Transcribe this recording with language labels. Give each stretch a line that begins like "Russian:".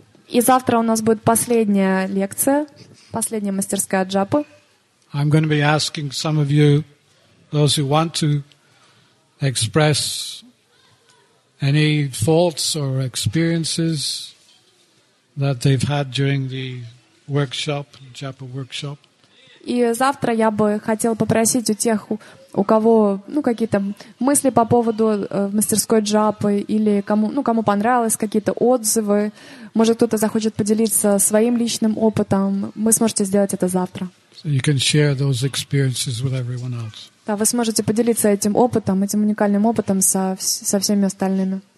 Russian: И завтра у нас будет последняя лекция, последняя мастерская джапы.
English: I'm going to be asking some of you, those who want to express any faults or experiences that they've had during the workshop, japa workshop.
Russian: И завтра я бы хотел попросить у тех, у кого, ну, какие-то мысли по поводу мастерской джапы или кому, ну, кому понравилось, какие-то отзывы. Может, кто-то захочет поделиться своим личным опытом. Вы сможете сделать это завтра.
English: So you can share those experiences with everyone else.
Russian: Да, вы сможете поделиться этим опытом, этим уникальным опытом со всеми остальными.